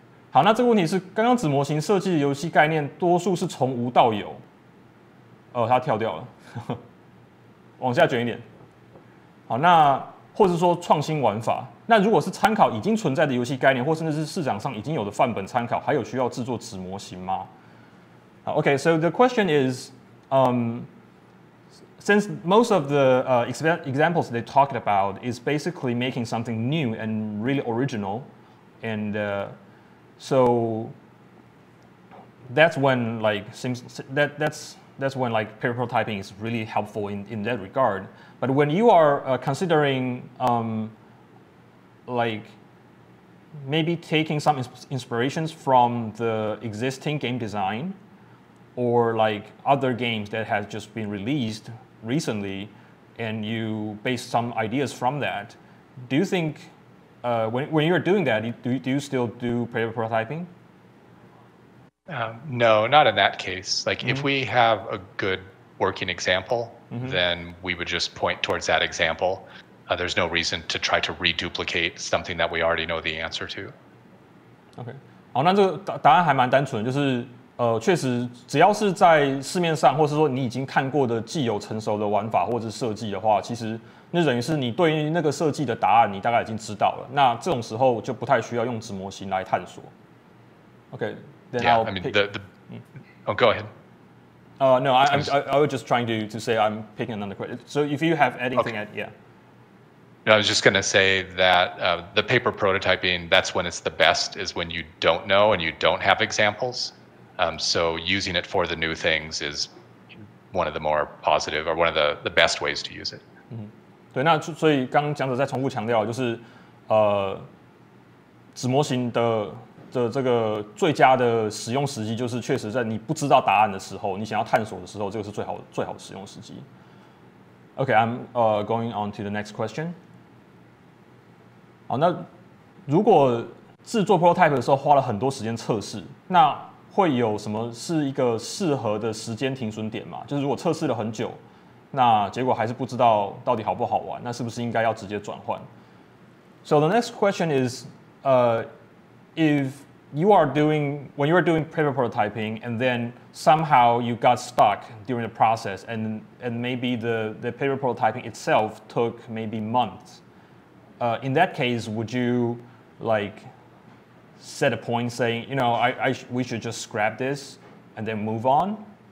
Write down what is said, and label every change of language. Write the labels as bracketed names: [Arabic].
[Chinese] 好，那这个问题是刚刚纸模型设计的游戏概念多数是从无到有，它跳掉了，往下卷一点。好，那或是说创新玩法，那如果是参考已经存在的游戏概念，或甚至是市场上已经有的范本参考，还有需要制作纸模型吗？ [English] 好 ，OK， so the question is, since most of the examples they talked about is basically making something new and really original, and So that's when like seems that's when like paper prototyping is really helpful in that regard. But when you are considering like maybe taking some inspirations from the existing game design or like other games that have just been released recently and you base some ideas from that, do you thinkwhen you're doing that, do you still do paper prototyping? No, not in that case. Like, mm-hmm. if we have a good working example, mm-hmm. then we would just point towards that example. There's no reason to try to reduplicate something that we already know the answer to. [Chinese] Okay. 好，那这个答案还蛮单纯，就是确实只要是在市面上，或是说你已经看过的既有成熟的玩法或者设计的话，其实那等于是你对那个设计的答案你大概已经知道了，那这种时候就不太需要用纸模型来探索。 [English] OK, then yeah, I'll I mean, pick Oh, go ahead. No, I was just trying to say I'm picking another question. So if you have anything, okay. No, I was just going to say that the paper prototyping, that's when it's the best, is when you don't know and you don't have examples. So using it for the new things is one of the more positive or one of the best ways to use it. [Chinese] 对，那所以刚刚讲者再重复强调，就是纸模型的这个最佳的使用时机，就是确实在你不知道答案的时候，你想要探索的时候，这个是最好的使用时机。 [English] Okay, I'm going on to the next question. [Chinese] 好，那如果制作 prototype 的时候花了很多时间测试，那会有什么是一个适合的时间停损点吗？就是如果测试了很久，那结果还是不知道到底好不好玩，那是不是应该要直接转换？ [English] So the next question is, if you are doing, when you are doing paper prototyping, and then somehow you got stuck during the process, and maybe the paper prototyping itself took maybe months, in that case, would you like set a point saying, you know, we should just scrap this and then move on?